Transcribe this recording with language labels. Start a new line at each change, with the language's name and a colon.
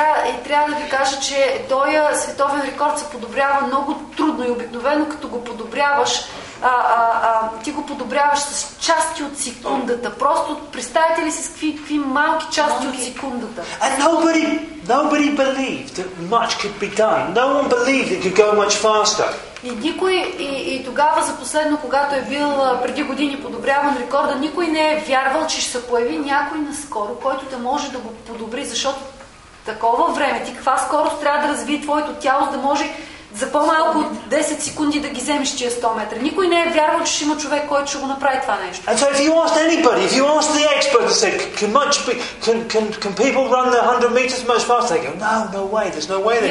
Bulgarian: И трябва да ви кажа, че този световен рекорд се подобрява много трудно и обикновено, като го подобряваш, ти го подобряваш с части от секундата. Просто представете ли си с какви малки части от секундата.
English: And nobody believed that much could be done. No one believed it could go much faster.
Bulgarian: И никой, и тогава за последно, когато е бил преди години подобряван рекорда, никой не е вярвал, че ще се появи някой наскоро, който да може да го подобри, защото такова време, ти каква скорост трябва да развие твоето тяло, да може за по-малко от 10 секунди да ги вземеш тия 100 метра. Никой не е вярвал, че ще има човек, който ще го направи това нещо.
English: And so if you ask anybody, if you ask the expert, they say, can people run the 100 meters much faster? They go, no way, there's no way they can.